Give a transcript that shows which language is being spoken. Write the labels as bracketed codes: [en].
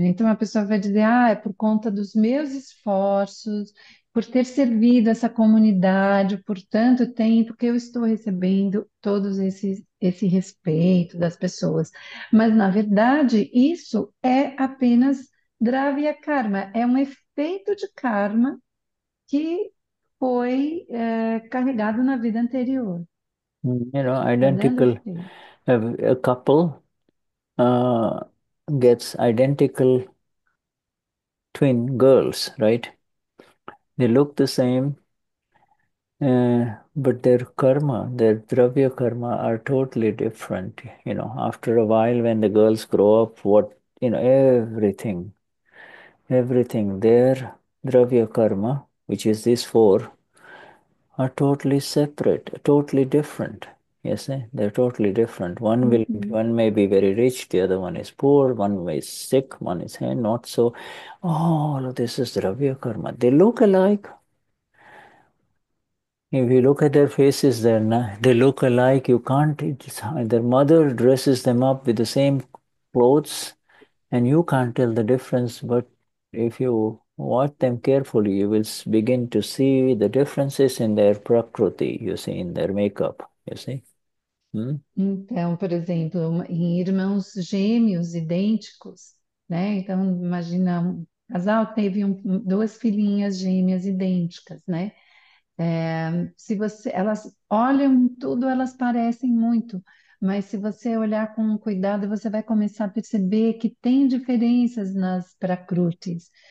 [pt] Então, a pessoa vai dizer, ah, é por conta dos meus esforços, por ter servido essa comunidade por tanto tempo, que eu estou recebendo todos esse respeito das pessoas. Mas, na verdade, isso é apenas dravya karma, é um efeito de karma que foi carregado na vida anterior. Está dando [en] Identical, [pt] efeito. [en] a couple gets identical twin girls, right? They look the same, but their karma, their dravya karma, are totally different. You know, after a while, when the girls grow up, what, you know, everything, their dravya karma, which is these four, are totally separate, totally different. Yes, they're totally different. One will, one may be very rich, the other one is poor, one way is sick, one is not so. All of this is dravya karma. They look alike. If you look at their faces, they look alike. You can't, it's, their mother dresses them up with the same clothes, and you can't tell the difference. But if you watch them carefully, you will begin to see the differences in their prakriti, you see, in their makeup, you see. [pt] Então, por exemplo, em irmãos gêmeos idênticos, né? Então, imagina, um casal teve duas filhinhas gêmeas idênticas, né? Se você, elas olham tudo, elas parecem muito, mas se você olhar com cuidado, você vai começar a perceber que tem diferenças nas prakrutis.